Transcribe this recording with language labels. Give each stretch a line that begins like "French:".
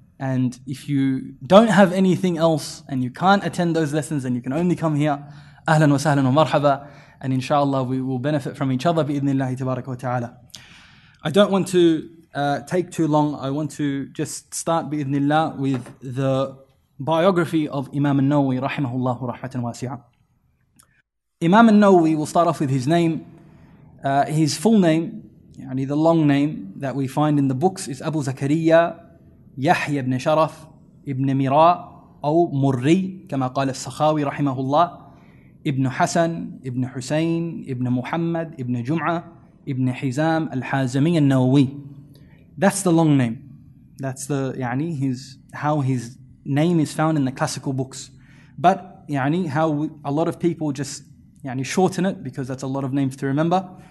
English: And if you don't have anything else and you can't attend those lessons and you can only come here,
Arabic: ahlan wa sahlan wa marhaba,
English: and inshallah we will benefit from each other
Arabic: bi-idhnillahi tabaraka wa ta'ala.
English: I don't want to take too long. I want to just start bi-idhnillah with the biography of Imam al-Nawawi
Arabic: rahimahullahu rahmatan wasi'a.
English: Imam al-Nawawi, will start off with his name. His full name, yani the long name that we find in the books, is Abu Zakariya
Arabic: يحيى بن شرف ابن مراء أو مري كما قال السخاوي رحمه الله ابن حسن ابن حسين ابن محمد ابن جمعة ابن حزام الحازمي النووي.
English: That's the long name. That's the يعني his, how his name is found in the classical books. But يعني how a lot of people just يعني shorten it, because that's a lot of names to remember.